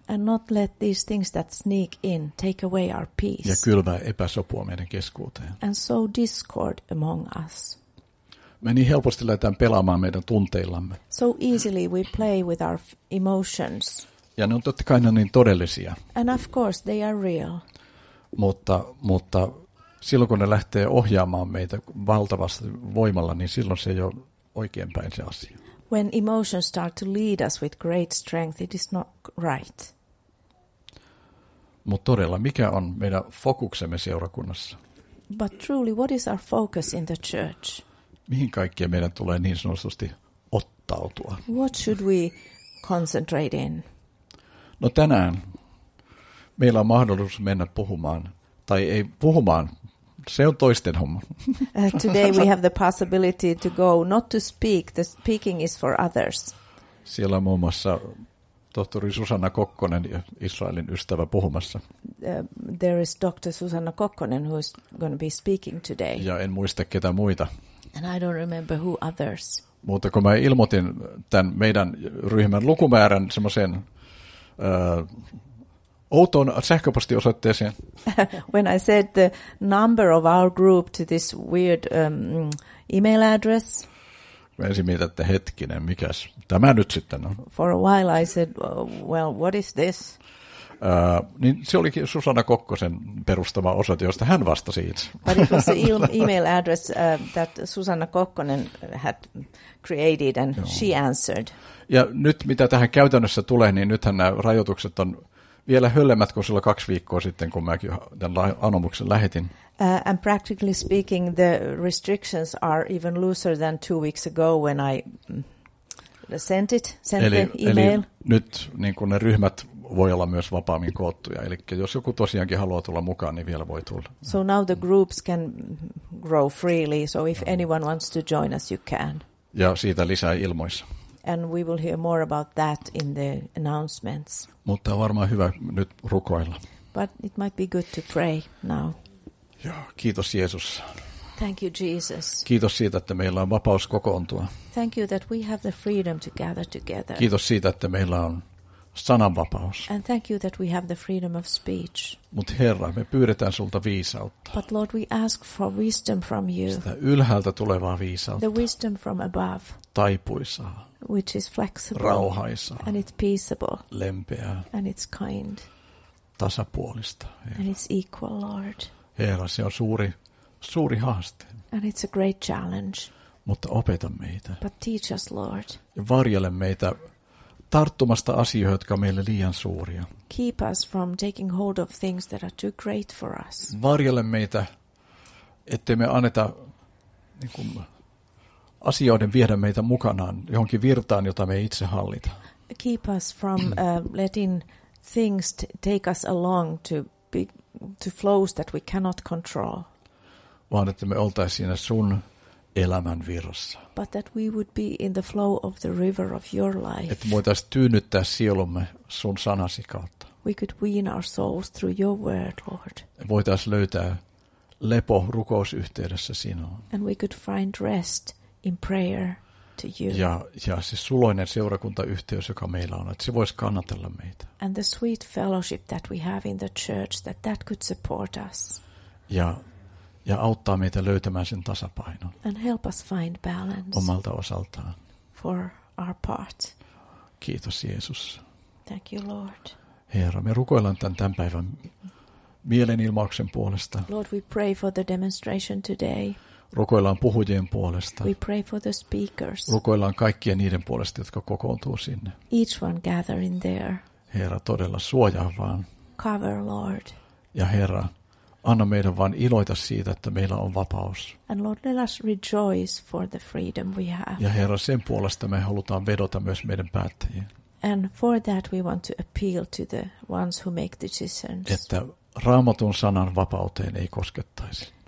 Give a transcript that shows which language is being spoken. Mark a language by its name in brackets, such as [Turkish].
[English] And not let these things that sneak in take away our peace. [Finnish] Ja kylvää epäsopua meidän keskuuteen. [English] And so discord among us. [Finnish] Me niin helposti lähdetään pelaamaan meidän tunteillamme. [English] So easily we play with our emotions. [Finnish] Ja ne on totta kai niin todellisia. [English] And of course they are real. [Finnish] Mutta silloin kun ne lähtee ohjaamaan meitä valtavasti voimalla, niin silloin se ei ole oikein päin se asia. [English] When emotions start to lead us with great strength, it is not right. [Finnish] Mutta todella, mikä on meidän fokuksemme seurakunnassa? [English] But truly, what is our focus in the church? [Finnish] Mihin kaikkea meidän tulee niin sanotusti ottautua? [English] What should we concentrate in? [Finnish] No tänään meillä on mahdollisuus mennä puhumaan, tai ei puhumaan, se on toisten homma. [English] Today we have the possibility to go, not to speak, the speaking is for others. [Finnish] Siellä on muun muassa tohtori Susanna Kokkonen, Israelin ystävä, puhumassa. [English] There is Dr. Susanna Kokkonen who is going to be speaking today. [Finnish] Ja en muista ketä muita. [English] And I don't remember who others. [Finnish] Mutta kun mä ilmoitin tämän meidän ryhmän lukumäärän semmoiseen outoon sähköpostiosoitteeseen. [English] When I said the number of our group to this weird email address. [Finnish] Mä ensin mietin, että hetkinen, mikäs tämä nyt sitten on. [English] For a while I said, well, what is this? [Finnish] Niin se olikin Susanna Kokkosen perustama osoite, josta hän vastasi itse. [English] But it was the email address that Susanna Kokkonen had created and joo, she answered. [Finnish] Ja nyt mitä tähän käytännössä tulee, niin nythän nämä rajoitukset on vielä höllemmät kuin silloin 2 viikkoa sitten, kun mäkin tämän anomuksen lähetin. [English] And practically speaking, the restrictions are even looser than 2 weeks ago when I sent it, sent [Finnish] eli, [English] the email. [Finnish] Eli nyt niin kuin ne ryhmät voi olla myös vapaammin koottuja. Eli jos joku tosiaankin haluaa tulla mukaan, niin vielä voi tulla. [English] So now the groups can grow freely, so if anyone wants to join us, you can. [Finnish] Ja siitä lisää ilmoissa. [English] And we will hear more about that in the announcements. [Finnish] Mutta on varmaan hyvä nyt rukoilla. [English] But it might be good to pray now. [Finnish] Joo, kiitos Jeesus. [English] Thank you Jesus. [Finnish] Kiitos siitä, että meillä on vapaus kokoontua. [English] Thank you that we have the freedom to gather together. [Finnish] Kiitos siitä, että meillä on sananvapaus. [English] And thank you that we have the freedom of speech. [Finnish] Mut Herra, me pyydetään sulta viisautta. [English] But Lord, we ask for wisdom from you. [Finnish] Sitä ylhäältä tulevaa viisautta. [English] The wisdom from above. [Finnish] Taipuisaa. [English] Which is flexible. [Finnish] Rauhaisaa. [English] And it's peaceable. [Finnish] Lempeää. [English] And it's kind. [Finnish] Tasapuolista. Herra. [English] And it's equal, Lord. [Finnish] Herra, se on suuri haaste. [English] And it's a great challenge. [Finnish] Mutta opeta meitä. [English] But teach us, Lord. [Finnish] Ja varjele meitä tarttumasta asioihin, jotka on meille liian suuria. [English] Keep us from taking hold of things that are too great for us. [Finnish] Varjele meitä, ettei me anneta niin kuin asioiden viedä meitä mukanaan johonkin virtaan, jota me ei itse hallita. [English] Keep us from letting things take us along to flows that we cannot control. [Finnish] Vaan että me oltaisiin siinä sun elämän virrassa. [English] But that we would be in the flow of the river of your life. [Finnish] Että voitaisiin tyynnyttää sielumme sun sanasi kautta. [English] We could wean our souls through your word, Lord. [Finnish] Voitaisiin löytää lepo rukousyhteydessä sinuun. [English] And we could find rest in prayer to you. [Finnish] Ja se suloinen seurakuntayhteys, joka meillä on, että se voisi kannatella meitä. [English] And the sweet fellowship that we have in the church, that could support us. [Finnish] Ja auttaa meitä löytämään sen tasapainon. [English] And help us find balance. [Finnish] Omalta osaltaan. [English] For our part. [Finnish] Kiitos Jeesus. [English] Thank you, Lord. [Finnish] Herra, me rukoillaan tämän päivän mielenilmauksen puolesta. [English] Lord, we pray for the demonstration today. [Finnish] Rukoillaan puhujien puolesta. [English] We pray for the speakers. [Finnish] Rukoillaan kaikkien niiden puolesta, jotka kokoontuu sinne. [English] Each one gathering there. [Finnish] Herra, todella suojaa vaan. [English] Cover, Lord. [Finnish] Ja Herra, anna meidän vaan iloita siitä, että meillä on vapaus. [English] And Lord, let us rejoice for the freedom we have. [Finnish] Ja Herra, sen puolesta me halutaan vedota myös meidän päättäjiin. [English] And for that we want to appeal to the ones who make decisions. [Finnish] Että Raamatun sanan vapauteen ei koskettaisi.